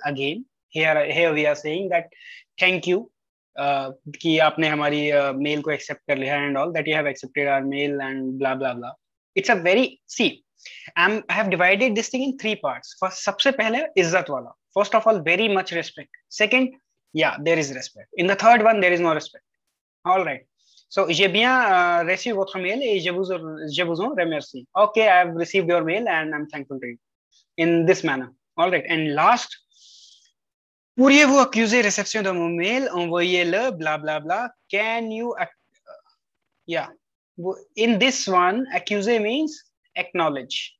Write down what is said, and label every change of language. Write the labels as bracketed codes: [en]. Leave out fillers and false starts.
[en] Again here we are saying that thank you [hi] ki aapne hamari mail ko accept kar liya [en] and all, that you have accepted our mail and blah blah blah. It's a very, see, I have divided this thing in three parts. First, [hi] sabse pehle izzat wala, [en] first of all very much respect. Second, yeah, there is respect. In the third one, there is no respect. All right, so [fr] j'ai bien reçu votre mail et je vous remercie. [en] Okay, I have received your mail and I'm thankful to you, in this manner. All right, and last, [fr] pourriez-vous accuser réception de mon mail, envoyez-le, [en] blah, blah, blah. Can you, in this one, accuser means acknowledge.